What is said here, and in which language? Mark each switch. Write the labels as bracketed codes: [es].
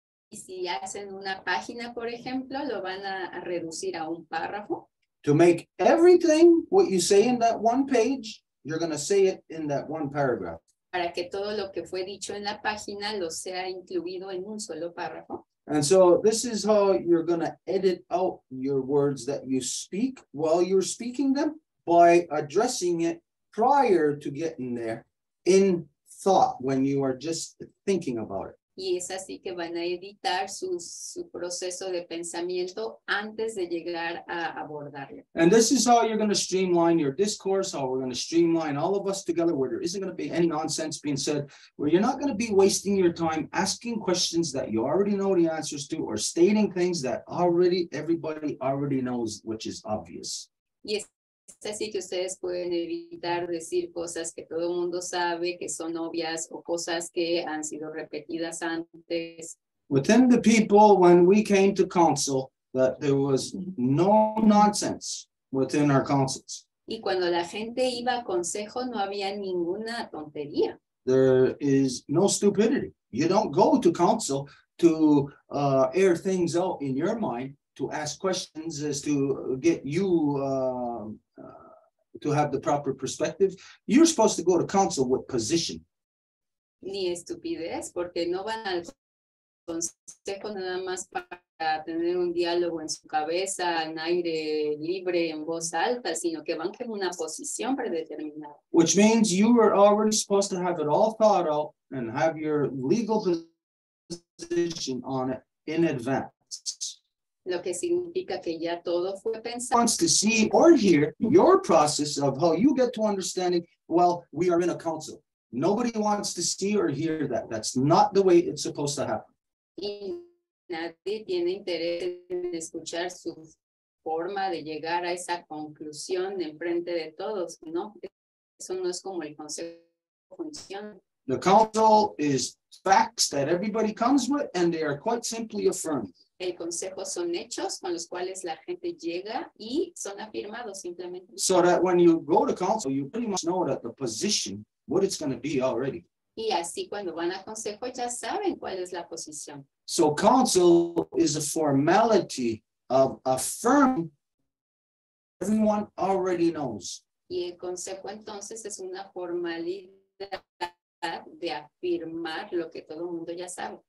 [es] Y si hacen una página, por ejemplo, lo van a reducir a un párrafo. [en] To make everything what you say in that one page, you're going to say it in that one paragraph. [es] Para que todo lo que fue dicho en la página lo sea incluido en un solo párrafo. [en] And so this is how you're going to edit out your words that you speak while you're speaking them by addressing it prior to getting there in thought when you are just thinking about it. [es] Y es así que van a editar su proceso de pensamiento antes de llegar a abordarlo. [en] And this is how you're going to streamline your discourse, how we're going to streamline all of us together, where there isn't going to be any nonsense being said, where you're not going to be wasting your time asking questions that you already know the answers to or stating things that already everybody already knows, which is obvious. Yes. [es] Es así que ustedes pueden evitar decir cosas que todo mundo sabe, que son obvias, o cosas que han sido repetidas antes. [en] Within the people, when we came to council, that there was no nonsense within our councils. [es] Y cuando la gente iba a consejo, no había ninguna tontería. [en] There is no stupidity. You don't go to council to air things out in your mind, to ask questions as to get you to have the proper perspective. You're supposed to go to council with position. [es] Ni estupidez, porque no van al consejo nada más para tener un diálogo en su cabeza, en aire libre, en voz alta, sino que van con una posición predeterminada. [en] Which means you are already supposed to have it all thought out and have your legal position on it in advance. [es] Lo que significa que ya todo fue pensado. [en] Wants to see or hear your process of how you get to understanding, well, we are in a council. Nobody wants to see or hear that. That's not the way it's supposed to happen. [es] Y nadie tiene interés en escuchar su forma de llegar a esa conclusión en frente de todos, ¿no? Eso no es como el consejo funciona. [en] The council is facts that everybody comes with, and they are quite simply affirmed. [es] El consejo son hechos con los cuales la gente llega y son afirmados simplemente. [en] So that when you go to counsel, you pretty much know that the position, what it's going to be already. [es] Y así cuando van a consejo ya saben cuál es la posición. [en] So counsel is a formality of affirming everyone already knows. [es] Y el consejo entonces es una formalidad de afirmar lo que todo el mundo ya sabe.